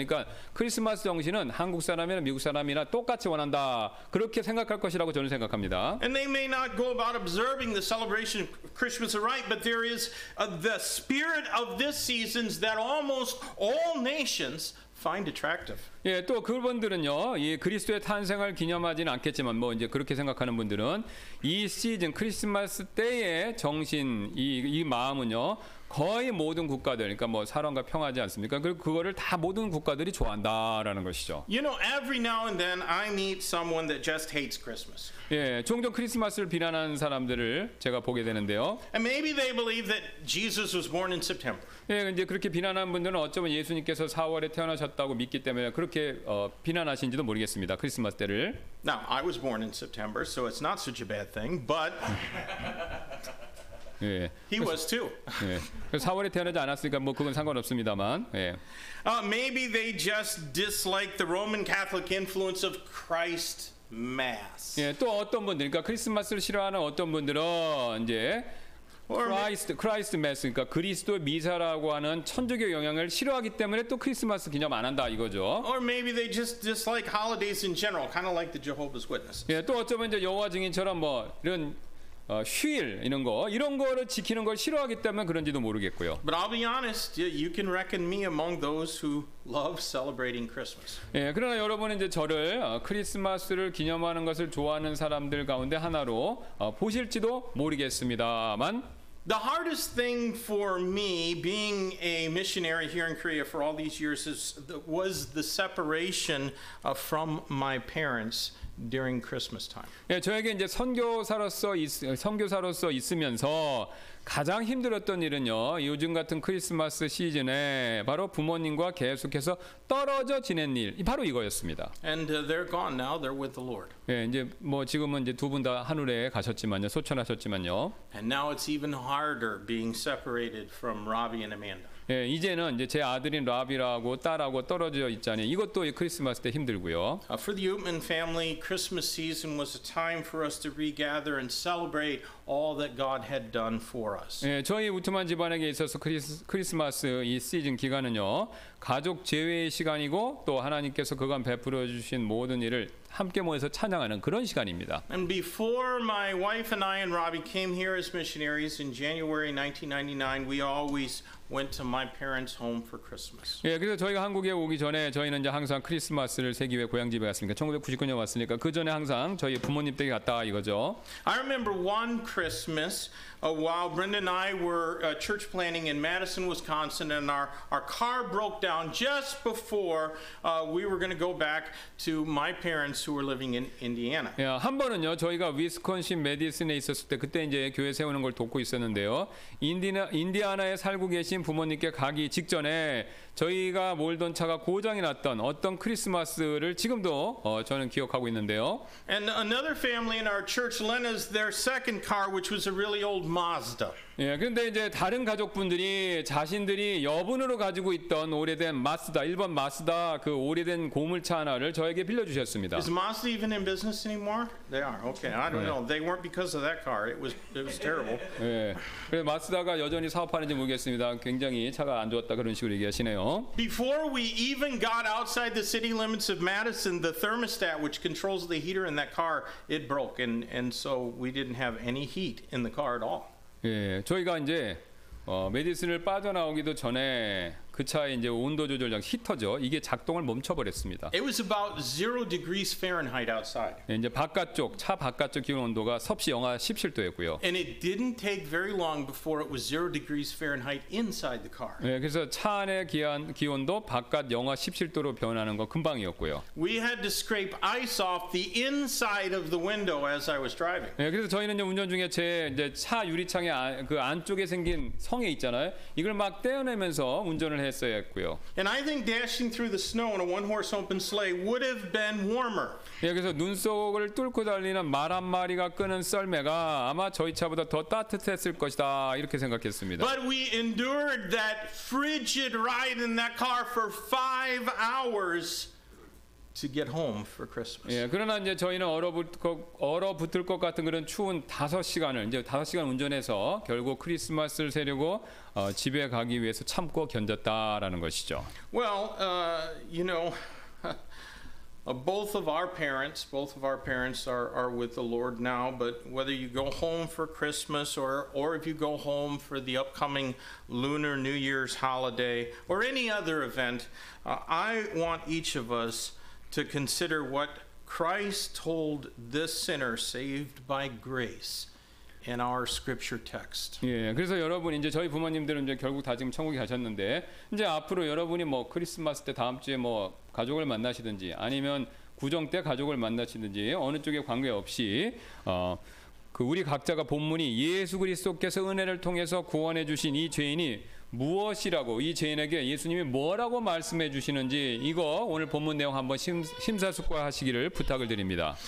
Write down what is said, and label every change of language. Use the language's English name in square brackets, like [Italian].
[Korean] 그러니까 크리스마스 정신은 한국 사람이나 미국 사람이나 똑같이 원한다. 그렇게 생각할 것이라고 저는 생각합니다. [English] And they may not go about observing the celebration of Christmas right, but there is the spirit of this season that almost all nations find attractive. [Korean] 예, 또 그분들은요, 이 그리스도의 탄생을 기념하지는 않겠지만, 뭐 이제 그렇게 생각하는 분들은 이 시즌 크리스마스 때의 정신, 이 마음은요, 거의 모든 국가들, 그러니까 뭐 사랑과 평화지 않습니까? 그리고 그거를 다 모든 국가들이 좋아한다라는 것이죠. [English] You know, every now and then I meet someone that just hates Christmas. [Korean] 예, 종종 크리스마스를 비난하는 사람들을 제가 보게 되는데요. [English] And maybe they believe that Jesus was born in September. [Korean] 예, 이제 그렇게 비난하는 분들은 어쩌면 예수님께서 4월에 태어나셨다고 믿기 때문에 그렇게 비난하신지도 모르겠습니다. 크리스마스 때를. [English] Now, I was born in September, so it's not such a bad thing, but He was too. [Korean] 예. 4월에 태어나지 않았으니까 뭐 그건 상관없습니다만. 예. [English] Maybe they just dislike the Roman Catholic influence of Christ Mass. [Korean] 예, 또 어떤 분들, 그러니까 크리스마스를 싫어하는 어떤 분들은 이제 Christ Mass, 그러니까 그리스도의 미사라고 하는 천주교 영향을 싫어하기 때문에 또 크리스마스 기념 안 한다 이거죠. [English] Or maybe they just dislike holidays in general, kind of like the Jehovah's Witnesses. [Korean] 예, 또 어쩌면 이제 여호와 증인처럼 뭐 이런 휴일 이런 거 이런 거를 지키는 걸 싫어하기 때문에 그런지도 모르겠고요. [English] But I'll be honest, you can reckon me among those who love celebrating Christmas. [Korean] 예, 그러나 여러분은 이제 저를 크리스마스를 기념하는 것을 좋아하는 사람들 가운데 하나로 보실지도 모르겠습니다만. [English] The hardest thing for me being a missionary here in Korea for all these years was the separation from my parents. During Christmas time. [Korean] 예, 저에게 이제 선교사로서 있으면서 가장 힘들었던 일은요. 요즘 같은 크리스마스 시즌에 바로 부모님과 계속해서 떨어져 지낸 일. 바로 이거였습니다. [English] And they're gone now. They're with the Lord. [Korean] 예, 이제 뭐 지금은 이제 두 분 다 하늘에 가셨지만요. 소천하셨지만요. [English] And now it's even harder being separated from Robbie and Amanda. [Korean] 예, 이제는 이제 제 아들인 라비라고 딸하고 떨어져 있잖아요. 이것도 크리스마스 때 힘들고요. [English] For the Utman family, Christmas season was a time for us to regather and celebrate all that God had done for us. [Korean] 예, 저희 우트만 집안에게 있어서 크리스마스 이 시즌 기간은요. 가족 재회의 시간이고 또 하나님께서 그간 베풀어 주신 모든 일을 함께 모여서 찬양하는 그런 시간입니다. [English] And before my wife and I and Robbie came here as missionaries in January 1999, we always went to my parents' home for Christmas. [Korean] 예, 그래서 저희가 한국에 오기 전에 저희는 이제 항상 크리스마스를 새기 위해 고향 집에 갔으니까 1999년 왔으니까 그 전에 항상 저희 부모님 댁에 갔다 이거죠. [English] I remember one Christmas while Brenda and I were church planning in Madison, Wisconsin, and our car broke down just before we were going to go back to my parents who were living in Indiana. [Korean] 예, 한 번은요 저희가 위스콘신 매디슨에 있었을 때 그때 이제 교회 세우는 걸 돕고 있었는데요. 인디애나에 살고 계신 부모님께 가기 직전에 저희가 몰던 차가 고장이 났던 어떤 크리스마스를 지금도 저는 기억하고 있는데요. [English] And another family in our church lent us their second car, which was a really old Mazda. [Korean] 예, 근데 이제 다른 가족분들이 자신들이 여분으로 가지고 있던 오래된 마스다, 일본 마스다 그 오래된 고물차 하나를 저에게 빌려주셨습니다. [English] Is Mazda even in business anymore? They are. Okay, I don't know. They weren't because of that car. It was terrible. [Korean] 예, 그래 마스다가 여전히 사업하는지 모르겠습니다. 굉장히 차가 안 좋았다 그런 식으로 얘기하시네요. Before we even got outside the city limits of Madison, the thermostat which controls the heater in that car it broke, and so we didn't have any heat in the car at all. 예, 저희가 이제 메디슨을 빠져나오기도 전에 그 차에 이제 온도 조절장 히터죠. 이게 작동을 멈춰 버렸습니다. [English] It was about 0 degrees Fahrenheit outside. [Korean] 예, 이제 바깥쪽 차 바깥쪽 기온 온도가 섭씨 영하 17도였고요. [English] And it didn't take very long before it was 0 degrees Fahrenheit inside the car. [Korean] 예, 그래서 차 안의 기온도 바깥 영하 17도로 변하는 거 금방이었고요. [English] We had to scrape ice off the inside of the window as I was driving. [Korean] 예, 그래서 저희는 이제 운전 중에 제 이제 차 유리창에 아, 그 안쪽에 생긴 성에 있잖아요. 이걸 막 떼어내면서 운전을 했어야 했고요. [English] And I think dashing through the snow in a one-horse open sleigh would have been warmer. [Korean] 예, 그래서 눈 속을 뚫고 달리는 말 한 마리가 끄는 썰매가 아마 저희 차보다 더 따뜻했을 것이다 이렇게 생각했습니다. [English] But we endured that frigid ride in that car for 5 hours. To get home for Christmas. [Korean] 예, 그러나 이제 저희는 얼어붙을 것 같은 그런 추운 5시간을 이제 5시간 운전해서 결국 크리스마스를 새려고 집에 가기 위해서 참고 견뎠다라는 것이죠. [English] Well, you know, both of our parents are with the Lord now. But whether you go home for Christmas or if you go home for the upcoming Lunar New Year's holiday or any other event, I want each of us to consider what Christ told this sinner saved by grace in our scripture text. [Korean] 예, 그래서 여러분 이제 저희 부모님들은 이제 결국 다 지금 천국에 가셨는데 이제 앞으로 여러분이 뭐 크리스마스 때 다음 주에 뭐 가족을 만나시든지 아니면 구정 때 가족을 만나시든지 어느 쪽에 관계없이 그 우리 각자가 본문이 예수 그리스도께서 은혜를 통해서 구원해 주신 이 죄인이 무엇이라고 이 죄인에게 예수님이 뭐라고 말씀해 주시는지 이거 오늘 본문 내용 한번 심사숙고하시기를 부탁을 드립니다.